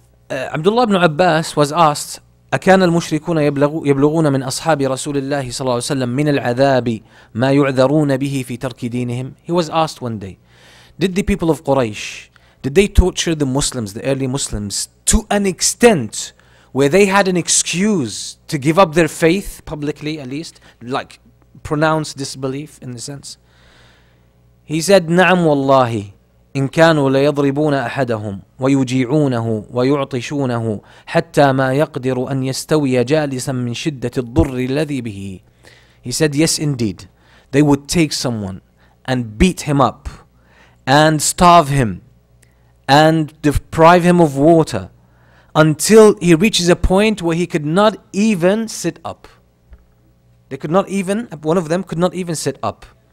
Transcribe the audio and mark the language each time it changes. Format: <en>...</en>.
<ar>Abdullah ibn Abbas</ar> <en>was asked,</en> <ar>أكان المشركون يبلغون من أصحاب رسول الله صلى الله عليه وسلم من العذاب ما يعذرون به في ترك دينهم.</ar> <en>He was asked one day, did the people of Quraysh, did they torture the Muslims, the early Muslims, to an extent where they had an excuse to give up their faith publicly, at least, like pronounce disbelief in a sense? He said,</en> <ar>نعم والله إن كانوا ليضربون أحدهم ويجيعونه ويعطشونه حتى ما يقدر أن يستوي جالسا من شدة الضر الذي به.</ar> <en>He said, yes indeed, they would take someone and beat him up and starve him and deprive him of water until he reaches a point where he could not even sit up. They could not even, one of them could not even sit up.</en>